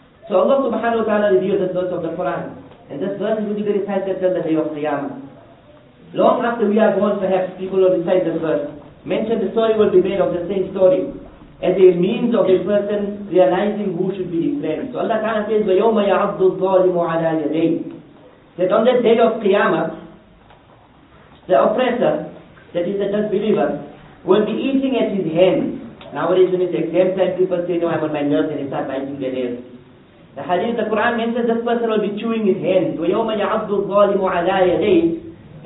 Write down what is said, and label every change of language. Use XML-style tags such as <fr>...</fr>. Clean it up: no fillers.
<en>So Allah subhanahu wa ta'ala revealed this verse of the Quran. And this verse is going to be recited till the day of Qiyamah. Long after we are gone, perhaps people will recite this verse. Mentioned the story will be made of the same story as a means of a person realizing who should be his friend. So Allah ta'ala says,</en> <ar>وَيَوْمَ يَعَبْدُ الظَّالِمُ عَلَى يَدَيْهِ.</ar> <en>That on the day of Qiyamah, the oppressor, that is a disbeliever, will be eating at his hand. Nowadays when it's exam time, people say, no, I'm on my nerves, and they start biting their nails. The hadith, the Quran mentions this person will be chewing his hands.</en> <ar>وَيَوْمَ يَعَبْدُ الظَّالِمُ عَلَى يَدَيْهِ.</ar>